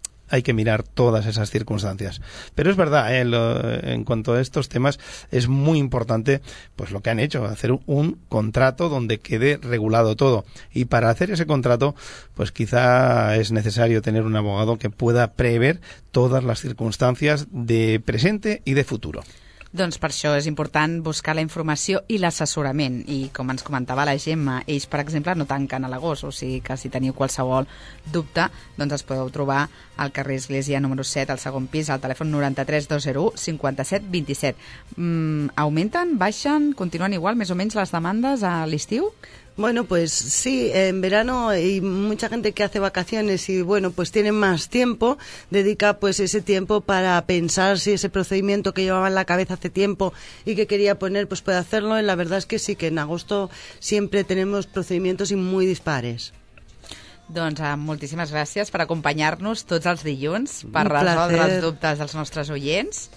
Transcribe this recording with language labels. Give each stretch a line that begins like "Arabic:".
Spanish: Hay que mirar todas esas circunstancias, pero es verdad, en cuanto a estos temas es muy importante, pues lo que han hecho, hacer un contrato donde quede regulado todo, y para hacer ese contrato pues quizá es necesario tener un abogado que pueda prever todas las circunstancias de presente y de futuro.
Catalan: Doncs per això és important buscar la informació i l'assessorament. I com ens comentava la Gemma, ells, per exemple, no tanquen a l'agost, o sigui que si teniu qualsevol dubte, doncs es podeu trobar al carrer Església número 7, al segon pis, al telèfon 93-201-5727. Augmenten, baixen, continuen igual, més o menys, les demandes a l'estiu?
Spanish: Bueno, pues sí, en verano hay mucha gente que hace vacaciones y bueno, pues tienen más tiempo, dedica pues ese tiempo para pensar si ese procedimiento que llevaba en la cabeza hace tiempo y que quería poner, pues puede hacerlo. Y la verdad es que sí, que en agosto siempre tenemos procedimientos y muy dispares.
Catalan: Doncs moltíssimes gràcies per acompanyar-nos tots els dilluns per resoldre els dubtes dels nostres oients.